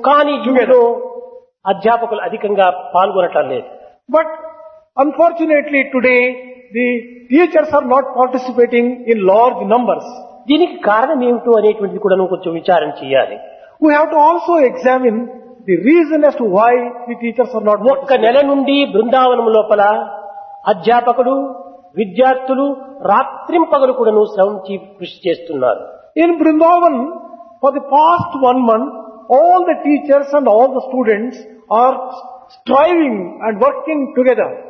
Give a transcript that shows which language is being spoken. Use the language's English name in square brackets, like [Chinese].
[Telugu] కానీ ఇందులో అధ్యాపకులు అధికంగా పాల్గొనటం లేదు. [English] But unfortunately today the teachers are not participating in large numbers. [Telugu] దీనికి కారణం ఏమిటో అనేటువంటిది కూడా కొంచెం విచారణ చేయాలి. [English] We have to also examine the reason as to why the teachers are not. [Telugu] ఒక్క నెల నుండి బృందావనము లోపల అధ్యాపకులు విద్యార్థులు రాత్రిం పగలు కూడా శ్రమం కృషి చేస్తున్నారు. [English] In Vrindavan for the past 1 month all the teachers and all the students are striving and working together.